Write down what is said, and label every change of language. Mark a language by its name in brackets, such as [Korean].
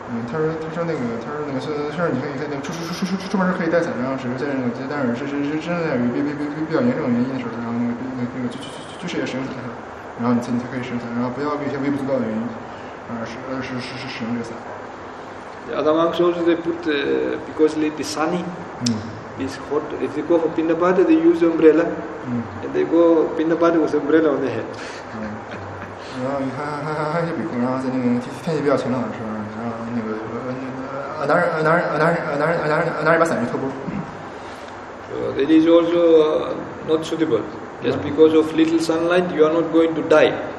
[Chinese] 他说那个是你可以在那出门是可以带伞，然后只是在那个但是是真的有比较严重原因的时候，然后那个就是要使用伞的时候，然后你才可以使用伞，然后不要为一些微不足道的原因，是使用这个伞。 [English] The other monks also they put because it is sunny, it's hot. If they go for pinnipada, they use umbrella, and they go pinnipada with umbrella on their head. [Chinese] 然后你看一些比丘，然后在那个天气比较晴朗的时候。 [English] So that is also not suitable. Just because of little sunlight, you are not going to die.